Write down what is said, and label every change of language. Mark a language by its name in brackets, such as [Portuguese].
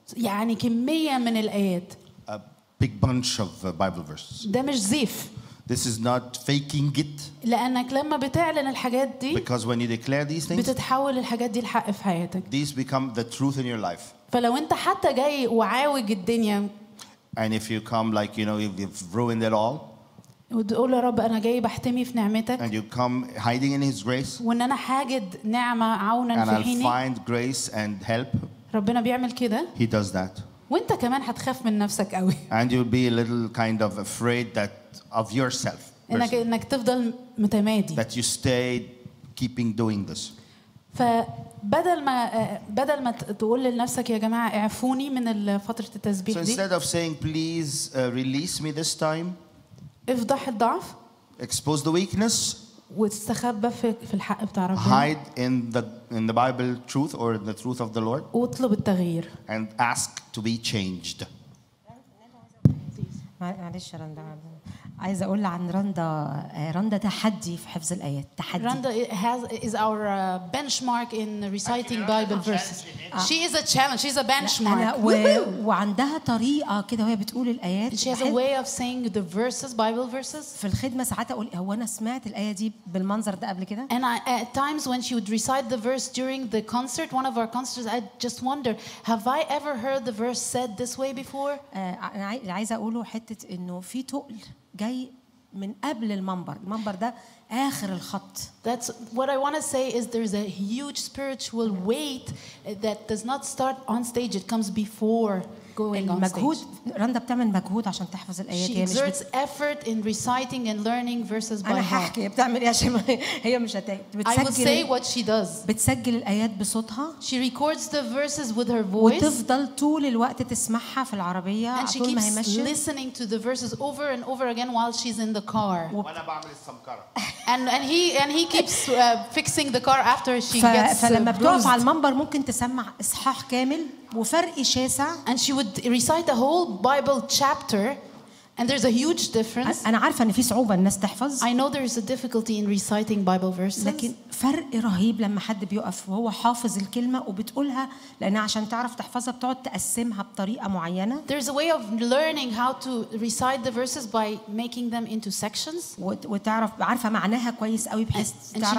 [Arabic] يعني كمية من الآيات. [English] A big bunch of Bible verses. [Arabic] ده مش زيف. [English] This is not faking it. [Arabic] لأنك لما بتعلن الحاجات دي. [English] Because when you declare these things. [Arabic] بتتحول الحاجات دي الحق في حياتك. [English] These become the truth in your life. [Arabic] فلو أنت حتى جاي وعاوج الدنيا. [English] And if you come like you know you've ruined it all. [Arabic] وتقول يا رب أنا جاي بحتمي في نعمتك. [English] And you come hiding in His grace. [Arabic] وإن أنا حاجد نعمة عونا في حيني. [English] And I'll find grace and help. [Arabic] ربنا بيعمل كده. [English] He does that. [Arabic] وأنت كمان هتخاف من نفسك قوي. [English] And you'll be a little kind of afraid that. Of yourself. [Arabic] إنك تفضل متمادي. [English] That you stay keeping doing this. [Arabic] فبدل ما تقول لنفسك يا جماعة اعفوني من فترة التسبيح دي. [English] So instead of saying please release me this time. [Arabic] افضح الضعف. [English] Expose the weakness. [Arabic] واستخبى في الحق بتاع ربنا. [English] Hide in the Bible truth or the truth of the Lord. [Arabic] واطلب التغيير. [English] And ask to be changed. [Arabic] معلش يا رندا عايزه اقول عن رندا تحدي في حفظ الايات تحدي [English] رندا is our benchmark in reciting bible verses she is a challenge she is a benchmark [Arabic] وعندها طريقه كده وهي بتقول الايات [English] she has a way of saying the verses bible verses [Arabic] في الخدمه ساعات اقول هو انا سمعت الايه دي بالمنظر ده قبل كده [English] and I, at times when she would recite the verse during the concert one of our concerts I just wonder have I ever heard the verse said this way before [Arabic] انا عايزه اقوله حته انه في تقل جاي من قبل المنبر المنبر ده اخر الخط [English] that's what I want to say is there's a huge spiritual weight that does not start on stage it comes before going on [Arabic] المجهود. [English] stage [Arabic] رندا بتعمل مجهود عشان تحفظ الايات [English] she exerts effort in reciting and learning verses by heart [Arabic] انا هحكي بتعمل ايه عشان هي مش هتسجل [English] I will say what she does [Arabic] بتسجل الايات بصوتها [English] she records the verses with her voice [Arabic] وتفضل طول الوقت تسمعها في العربيه [English] and she keeps listening to the verses over and over again while she's in the car [Arabic] وانا بعمل السمكره [English] and he keeps fixing the car after she gets [Arabic] فلما بتقف على المنبر ممكن تسمع اصحاح كامل وفرق شاسع [English] and she would recite a whole bible chapter and there's a huge difference [Arabic] انا عارفه ان في صعوبه الناس تحفظ [English] I know there is a difficulty in reciting bible verses [Arabic] لكن فرق رهيب لما حد بيقف وهو حافظ الكلمه وبتقولها لان عشان تعرف تحفظها بتقعد تقسمها بطريقه معينه [English] there's a way of learning how to recite the verses by making them into sections [Arabic] وتعرف عارفه معناها كويس قوي بحيث تعرف